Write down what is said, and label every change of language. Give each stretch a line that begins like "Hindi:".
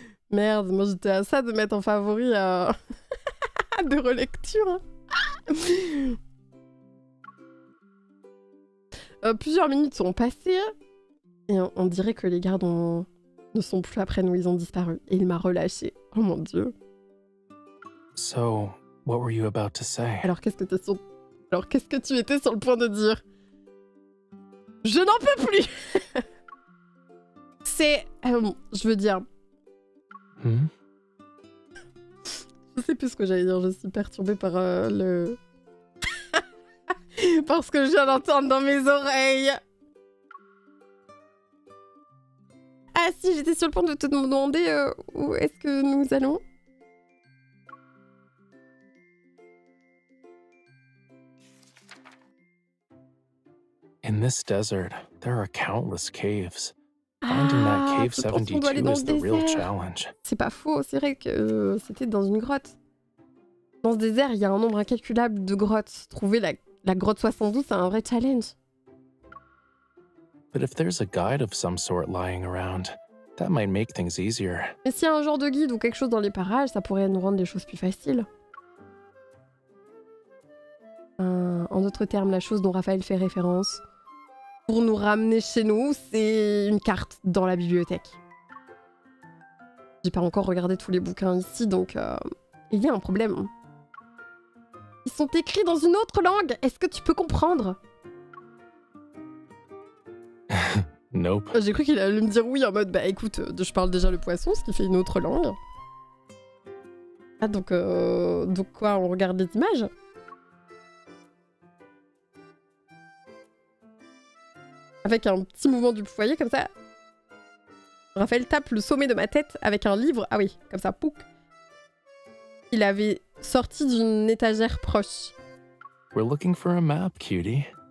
French: Merde, moi j'étais à ça de mettre en favori de relecture. plusieurs minutes sont passées et on dirait que les gardes ne sont plus après nous, ils ont disparu. Et il m'a relâché. Oh mon dieu.
English: So, what were you about to say?
French: Alors qu'est-ce que tu étais sur le point de dire? Je n'en peux plus. C'est... je veux dire... Je sais plus ce que j'allais dire, je suis perturbée par le... par ce que je viens d'entendre dans mes oreilles. Ah si, j'étais sur le point de te demander où est-ce que nous allons.
English: In this desert, there are countless caves. Finding that cave 72 is the real challenge.
French: C'est pas faux, c'est vrai que c'était dans une grotte. Dans ce désert, il y a un nombre incalculable de grottes. Trouver la grotte 72, c'est un vrai challenge.
English: But if there's a guide of some sort lying around, that might make things easier.
French: Mais s'il y a un genre de guide ou quelque chose dans les parages, ça pourrait nous rendre les choses plus faciles. En d'autres termes, la chose dont Raphaël fait référence pour nous ramener chez nous, c'est une carte dans la bibliothèque. J'ai pas encore regardé tous les bouquins ici, donc il y a un problème. Ils sont écrits dans une autre langue. Est-ce que tu peux comprendre?
English: Nope.
French: J'ai cru qu'il allait me dire oui en mode, bah écoute, je parle déjà le poisson, ce qui fait une autre langue. Ah donc quoi, on regarde les images? Avec un petit mouvement du foyer comme ça. Raphaël tape le sommet de ma tête avec un livre. Ah oui, comme ça, pouc. Il avait sorti d'une étagère proche.
English: We're looking for a map, cutie.